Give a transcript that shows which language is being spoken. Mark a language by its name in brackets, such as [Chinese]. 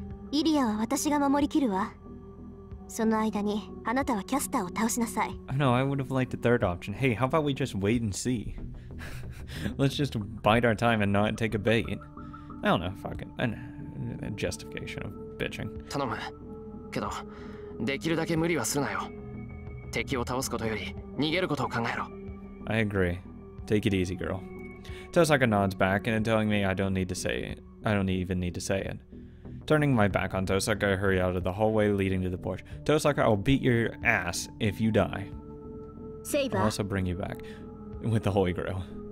[Japanese] イリアは私が守りきるわ。その間にあなたはキャスターを倒しなさい。 [English] No, I would have liked the third option. Hey, how about we just wait and see? Let's just bite our time and not take a bait. I don't know, fucking a justification of bitching. [Japanese] 頼む。けど、できるだけ無理はするなよ。敵を倒すことより逃げることを考えろ。 [English] I agree. Take it easy, girl. Tosaka nods back and telling me I don't even need to say it. Turning my back on Tosaka, I hurry out of the hallway leading to the porch. Tosaka, I'll beat your ass if you die. Save I'll also bring you back with the Holy Grail.